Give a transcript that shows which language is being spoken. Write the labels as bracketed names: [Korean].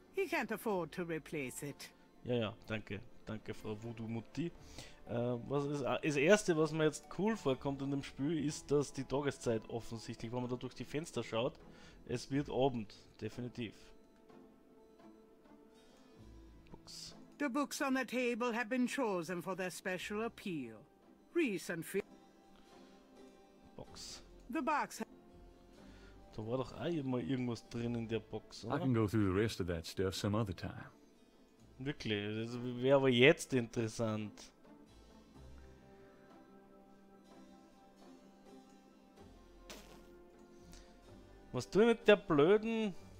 [English] He can't afford to replace it. [German] Ja, ja, danke. Danke, Frau Voodoo-Mutti. Was ist, das erste, was mir jetzt cool vorkommt in dem Spiel, ist, dass die Tageszeit offensichtlich, wenn man da durch die Fenster schaut, es wird Abend. Definitiv. [English] Books. The books on the table have been chosen for their special appeal. Box. The box. [German] Da war doch auch immer irgendwas drin in der Box, oder? [English] I can go through the rest of that stuff some other time. [German] Wirklich? Das wäre aber jetzt interessant. Was tue ich mit der blöden...